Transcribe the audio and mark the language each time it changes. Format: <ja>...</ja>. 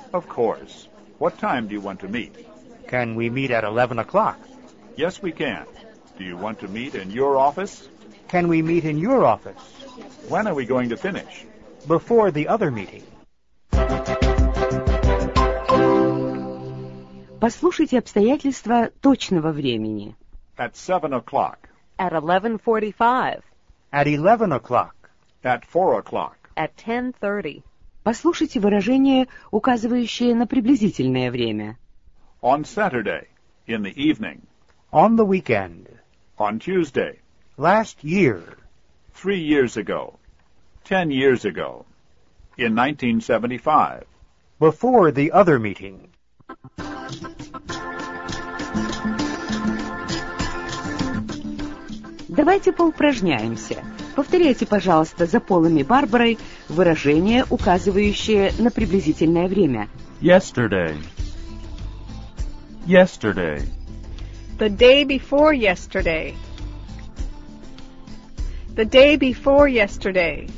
<en>Of course. What time do you want to meet? Can we meet at 11 o'clock? Yes, we can. Do you want to meet in your office? Can we meet in your office? When are we going to finish? Before the other meeting.</en> <ru>Послушайте обстоятельства точного времени.</ru> <en>At 7 o'clock. At 11:45. At 11 o'clock. At 4 o'clock. At 10:30.</en> <ru>Послушайте выражения, указывающие на приблизительное время.</ru> <en>On Saturday, in the evening. On the weekend. On Tuesday. Last year. 3 years ago. 10 years ago. In 1975. Before the other meeting.</en> <ru>Давайте поупражняемся. Повторяйте, пожалуйста, за Полом и Барбарой выражения, указывающие на приблизительное время.</ru> <en>Yesterday. Yesterday. The day before yesterday. The day before yesterday.</en>